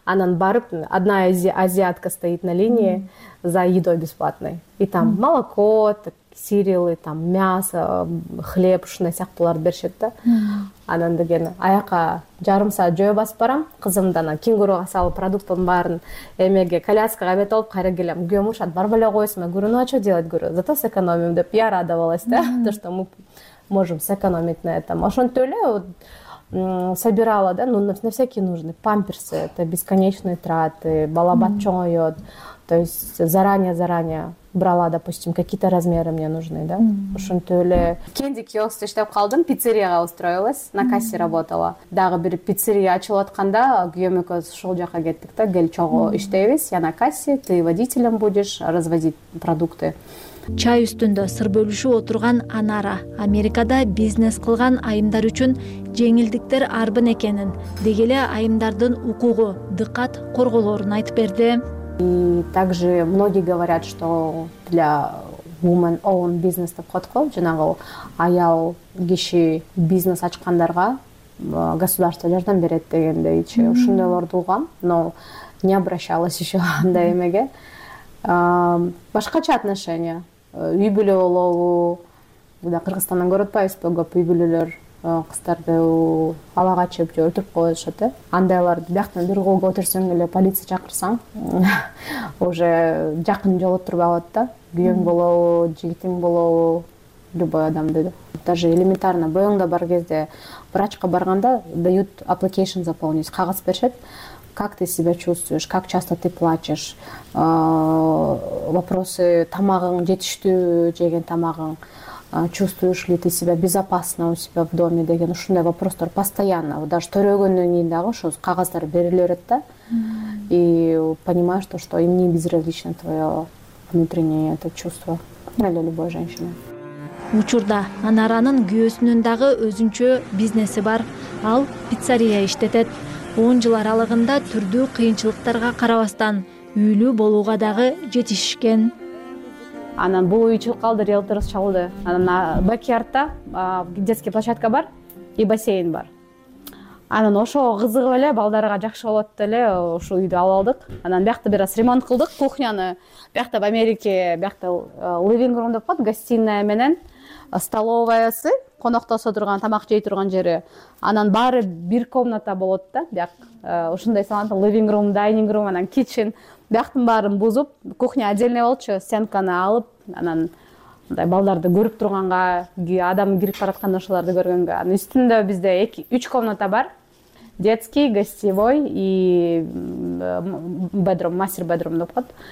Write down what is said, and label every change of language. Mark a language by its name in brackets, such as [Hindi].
[Russian] Анан барып, одна азиатка стоит на линии за едой бесплатной. И там молоко, сирилы, там мясо, хлеб, [Kyrgyz] ушуна сияк булар беришет да. Анан деген аяка жарым саат жөө басып барам. Кызымды анан кенгуруга салып, продуктын баарын эмеге коляскага бетолуп кайра келем. Күйөөм урушат, барып эле койсуң. [Russian] Говорю, ну а что делать? Говорю, зато сэкономим [Kyrgyz] деп. [Russian] Я радовалась, да, то что мы можем сэкономить на этом. Ошонтип эле собирала, да, ну на всякие нужны. Памперсы, это бесконечные траты, балабат чоңоёт. То есть заранее брала, допустим, какие-то размеры мне нужны, да? [Kyrgyz] Ошонтип эле Кенди киоскту иштеп калдым, пиццерияга устроилась, [Russian] на кассе работала. [Kyrgyz] Дагы бир пиццерия ачылып атканда күйөөм экөөбүз ушул жака кеттик да, кел чогуу иштейбиз, [Russian] я на кассе, ты водителем будешь, развозить продукты. [Kyrgyz] Чай үстүндө сыр бөлүшүп отурган Анара Америкада бизнес кылган айымдар үчүн жеңилдиктер арбын экенин, деги эле айымдардын укугу, дыкат корголорун айтып берди. [Russian] И также многие говорят, что для woman own business деп коёт го, [Kyrgyz] жанагы аял киши бизнес ачкандарга государство жардам берет [Russian] дегендейчи. [Kyrgyz] Ушундайларды угам, [Russian] но не обращалась еще [Kyrgyz] до эмеге. Башкача отношения. Үй бүлө болобу, мына Кыргызстандан көрүп атпайсызбы, көп үй бүлөлөр кыздарды ала качып же өлтүрүп коюшат. Андайларды бияктан бир колго көтөрсөң эле полиция чакырсаң уже жакын жолоттуруп алат да. Күйөөң болобу, жигитиң болобу, любой адамды. Даже элементарно боюңда бар кезде врачка барганда дают application заполнить, кагаз беришет. [Russian] Как ты себя чувствуешь, как часто ты плачешь, вопросы тамагың, жетиштүү жеген тамагың, чувствуешь ли ты себя безопасно у себя в доме [Kyrgyz] деген ушундай вопростор постоянно, даже төрөгөндөн кийин дагы ошо кагаздар бериле берет да. [Russian] И понимаешь то, что им не безразлично твое внутреннее это чувство для любой женщины. [Kyrgyz] Учурда Анаранын күйөөсүнүн дагы өзүнчө бизнеси бар. Ал пиццерия иштетет. 10 жыл аралыгында түрдүү кыйынчылыктарга карабастан үйлүү болууга дагы жетишкен. Анан бул үйчү калды, риэлторс чалды. Анан бакиярда детский площадка бар и бассейн бар. Анан ошого кызыгып эле балдарга жакшы болот деле ушул үйдү алып алдык. Анан биякта бир аз ремонт кылдык кухняны. Биякта [Russian] в Америке, [Kyrgyz] биякта living room деп коет, гостиная менен столовоясы, коноктосо турган, тамак жей турган жери. Анан баары бир комната болот да. Бияк ушундай саланда [English] living room, dining room, [Kyrgyz] анан kitchen. Бияктын баарын бузуп, кухня отдельный болчу, стенканы алып, анан мындай балдарды көрүп турганга, адам кирип баратканда ошоларды көргөнгө. Анын үстүндө бизде 2-3 комната бар. [Russian] Детский, гостевой [Kyrgyz] и bedroom, master bedroom деп коет.